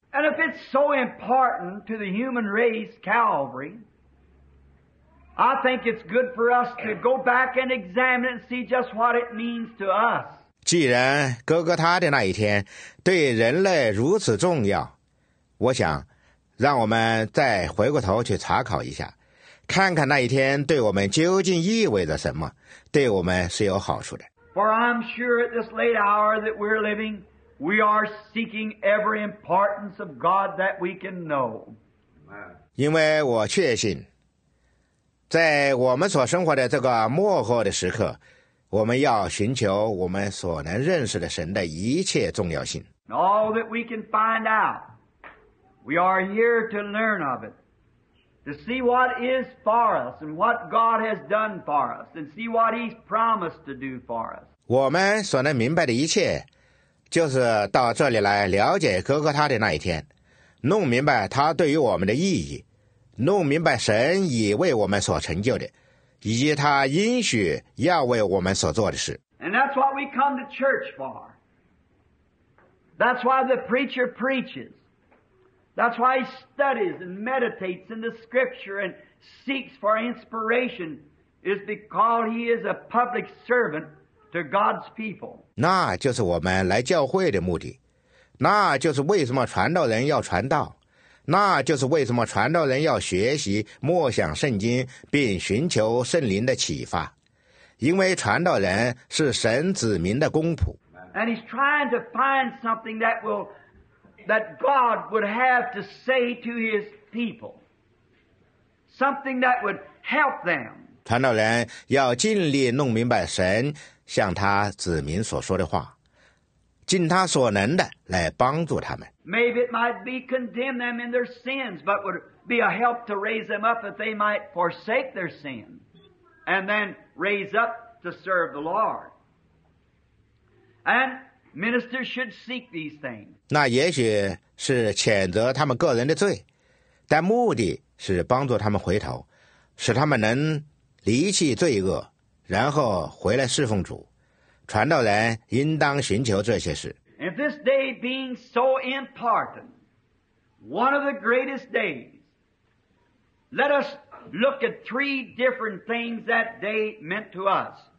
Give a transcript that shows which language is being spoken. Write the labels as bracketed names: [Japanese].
[English] And if it's so important to the human race, Calvary, I think it's good for us to go back and examine and see just what it means to us. [Chinese] 既然哥哥他的那一天对人类如此重要，我想让我们再回过头去查考一下，看看那一天对我们究竟意味着什么，对我们是有好处的。 [English] For I'm sure at this late hour that we're living,We are seeking every importance of God that we can know. [Chinese] 因为我确信，在我们所生活的这个末后的时刻，我们要寻求我们所能认识的神的一切重要性。 [English] All that we can find out, we are here to learn of it, to see what is for us and what God has done for us, and see what He's promised to do for us. [Chinese] 我们所能明白的一切。就是到这里来了解哥哥他的那一天，弄明白他对于我们的意义，弄明白神已为我们所成就的，以及他应许要为我们所做的事。 [English] And that's what we come to church for. That's why the preacher preaches. That's why he studies and meditates in the scripture and seeks for inspiration is because he is a public servant. To God's people. [Chinese] 那就是我们来教会的目的，那就是为什么传道人要传道，那就是为什么传道人要学习默想圣经并寻求圣灵的启发，因为传道人是神子民的公仆。 [English] And he's trying to find something that God would have to say to his people. Something that would help them. [Chinese] 传道人要尽力弄明白神向他子民所说的话，尽他所能的来帮助他们。 [English] Maybe it might be condemn them in their sins, but would be a help to raise them up that they might forsake their sin and then raise up to serve the Lord. And ministers should seek these things. [Chinese] 那也许是谴责他们个人的罪，但目的是帮助他们回头，使他们能离弃罪恶，然后回来侍奉主。传道人应当寻求这些事。 [English] And this day being so important, one of the greatest days, let us look at three different things that day meant to us.